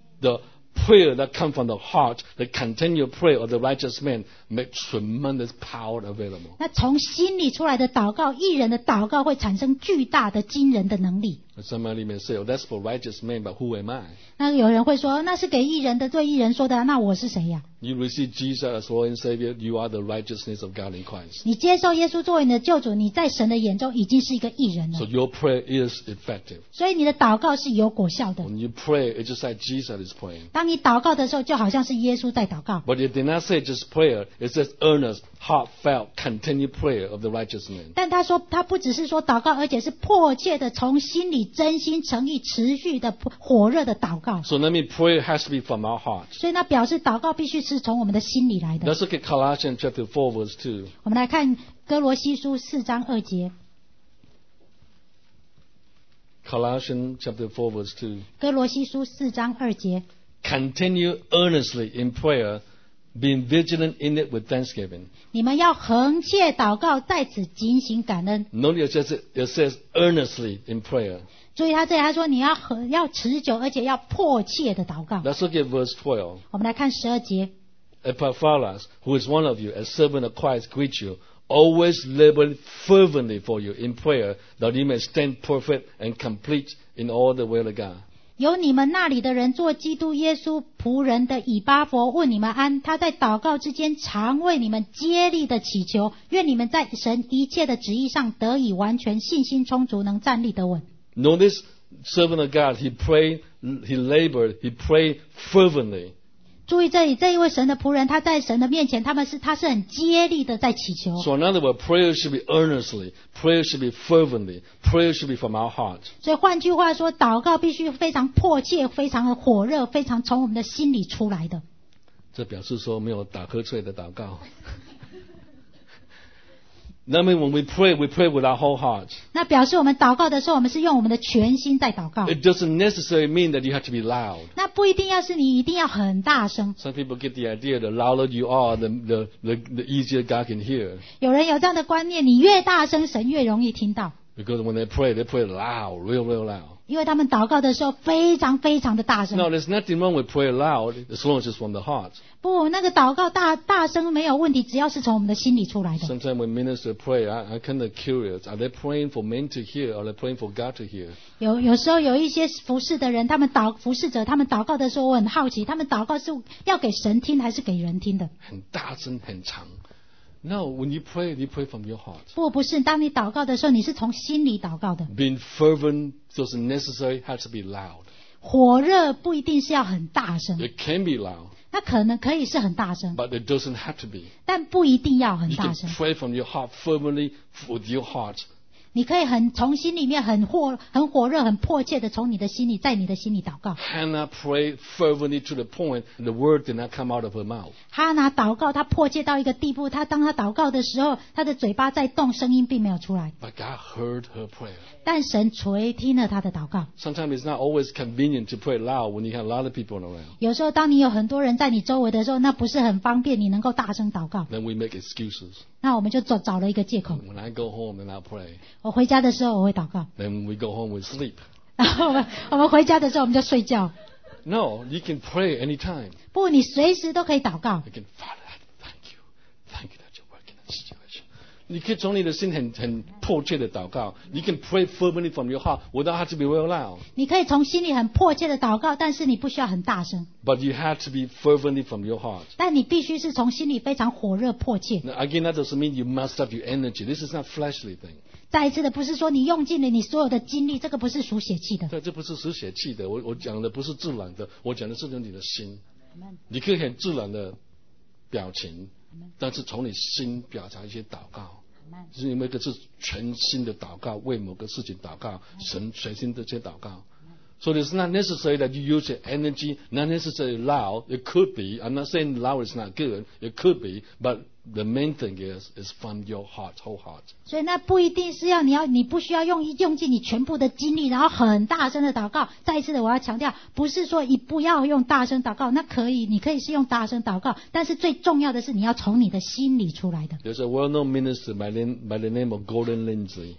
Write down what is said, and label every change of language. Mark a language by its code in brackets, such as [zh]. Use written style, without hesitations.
[en] The prayer that comes from the heart, the continual prayer of the righteous man make tremendous power available. [zh] 那从心里出来的祷告义人的祷告会产生巨大的惊人的能力。 [en] Somebody may say, oh, that's for righteous men, but who am I? [zh] 那有人会说那是给义人的对义人说的那我是谁呀、 [en] 啊、You receive Jesus as Lord and Savior, you are the righteousness of God in Christ. [zh] 你接受耶稣作为你的救主你在神的眼中已经是一个义人了。 [en] So your prayer is effective. [zh] 所以你的祷告是有果效的。 [en] When you pray, it's just like Jesus is praying. [zh] 当你祷告的时候就好像是耶稣在祷告。 [en] But it did not say just prayer, it says earnest, heartfelt, continued prayer of the righteous man. [zh] 但他说他不只是说祷告而且是迫切的从心里真心诚意持续的火热的祷告 [en] so let me pray it has to be from our heart [zh] 所以那表示祷告必须是从我们的心里来的 [en] let's look at Colossians chapter 4 verse 2 [zh] 我们来看哥罗西书四章二节 [en] Colossians chapter 4 verse 2 [zh] 哥罗西书四章二节 [en] continue earnestly in prayer being vigilant in it with thanksgiving [zh] 你们要恒切祷告在此警醒感恩 [en] Notice it says earnestly in prayer [zh] 注意他这里他说你 要持久而且要迫切的祷告 [en] Let's look at verse 12 [zh] 我们来看十二节 [en] Epaphras who is one of you a servant of Christ greets you always labor fervently for you in prayer that you may stand perfect and complete in all the will of God [zh] 由你们那里的人做基督耶稣仆人的以巴佛问你们安他在祷告之间常为你们竭力的祈求愿你们在神一切的旨意上得以完全信心充足能站立得稳 [en] Notice servant of God he prayed he labored he prayed fervently [zh] 注意这里这一位神的仆人他在神的面前他是很竭力的在祈求 [en] So in other words prayer should be earnestly prayer should be fervently Prayer should be from our heart. [zh] 所以换句话说，祷告必须非常迫切、非常的火热、非常从我们的心里出来的。这表示说没有打瞌睡的祷告。 [en] That means when we pray with our whole heart. [zh] 那表示我们祷告的时候，我们是用我们的全心在祷告。 [en] It doesn't necessarily mean that you have to be loud. [zh] 那不一定要是你一定要很大声。 [en] Some people get the idea the louder you are, the easier God can hear. [zh] 有人有这样的观念，你越大声，神越容易听到。 [en] Because when they pray loud, real, real loud. [zh] 因为他们祷告的时候非常非常的大声。 [en] No, there's nothing wrong with prayer loud, as long as it's from the heart. [zh] 不，那个祷告大声没有问题，只要是从我们的心里出来的。 [en] Sometimes when ministers pray, I'm kind of curious. Are they praying for men to hear, or are they praying for God to hear? [zh] 有时候有一些服事的人，服事者，他们祷告的时候，我很好奇，他们祷告是要给神听还是给人听的？很大声，很长。 [en] No, when you pray from your heart. [zh] 不是，当你祷告的时候，你是从心里祷告的。 [en] Being fervent doesn't necessarily have to be loud. [zh] 火热不一定是要很大声。 [en] It can be loud. [zh] 那可能可以是很大声。 [en] But it doesn't have to be. [zh] 但不一定要很大声。 [en] You can pray from your heart fervently with your heart. [zh] 你可以很从心里面很火热、很迫切的从你的心里，在你的心里祷告。 [en] Hannah prayed fervently to the point the word did not come out of her mouth. [zh] Hannah 祷告，她迫切到一个地步，她当她祷告的时候，她的嘴巴在动，声音并没有出来。 [en] But God heard her prayer. [zh] 但神垂听了她的祷告。 [en] Sometimes it's not always convenient to pray loud when you have a lot of people around. [zh] 有时候当你有很多人在你周围的时候，那不是很方便你能够大声祷告。 [en] Then we make excuses. [zh] 那我们就找了一个借口。 [en] When I go home, then I pray. [zh] 我回家的时候我会祷告。 [en] Then we go home, we sleep. [zh] 然后我们回家的时候我们就睡觉。 [en] No, you can pray anytime. [zh] 不，你随时都可以祷告。 [en] You can, Father, thank you. Thank you that you're working in the situation. [zh] 你可以从你的心很迫切的祷告，你可以 [en] pray fervently from your heart without having to be very loud。 [zh] 你可以从心里很迫切的祷告，但是你不需要很大声。 [en] But you have to be fervently from your heart。 [zh] 但你必须是从心里非常火热迫切。 [en] Now, again, that doesn't mean you must have your energy. This is not fleshly thing。 [zh] 再一次的，不是说你用尽了你所有的精力，这个不是属血气的。对，这不是属血气的。我讲的不是自然的，我讲的是从你的心。你可以很自然的表情，但是从你心表达一些祷告，是因为这是全心的祷告，为某个事情祷告，神全心的这些祷告。 [en] So it's not necessary that you use your energy, not necessarily loud. It could be. I'm not saying loud is not good. It could be, but the main thing is from your heart, whole heart. [zh] 所以那不一定是要你要你不需要用尽你全部的精力，然后很大声的祷告。再一次的，我要强调，不是说你不要用大声祷告，那可以，你可以是用大声祷告，但是最重要的是你要从你的心里出来的。 [en] There's a well-known minister by the name of Gordon Lindsay.